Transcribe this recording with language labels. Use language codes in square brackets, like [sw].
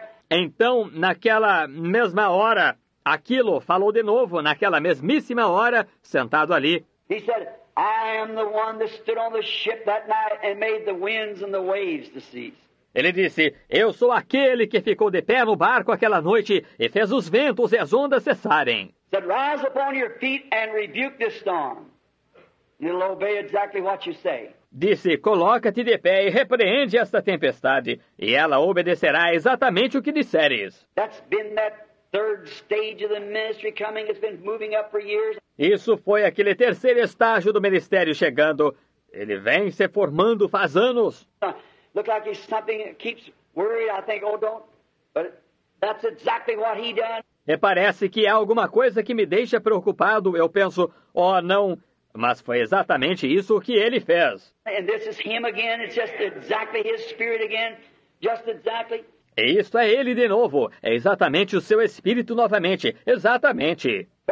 [pt] Então, naquela mesma hora, aquilo falou de novo, naquela mesmíssima hora, sentado ali. [en] He said, I am the one that stood on the ship that night and made the winds and the waves to cease. [pt] Ele disse, eu sou aquele que ficou de pé no barco aquela noite e fez os ventos e as ondas cessarem. [en] He said, rise upon your feet and rebuke this storm. And it'll obey exactly what you say. [pt] Disse, coloca-te de pé e repreende esta tempestade, e ela obedecerá exatamente o que disseres. [en] That's been that third stage of the ministry coming. It's been moving up for years. [pt] Isso foi aquele terceiro estágio do ministério chegando. Ele vem se formando faz anos. [en] Look like he's something that keeps worried. I think, oh, don't. But that's exactly what he done. [pt] E parece que é alguma coisa que me deixa preocupado. Eu penso, oh, não. Mas foi exatamente isso que ele fez. [en] And this is him again. It's just exactly his spirit again. Just exactly. [pt] E isto é ele de novo, é exatamente o seu espírito novamente, exatamente.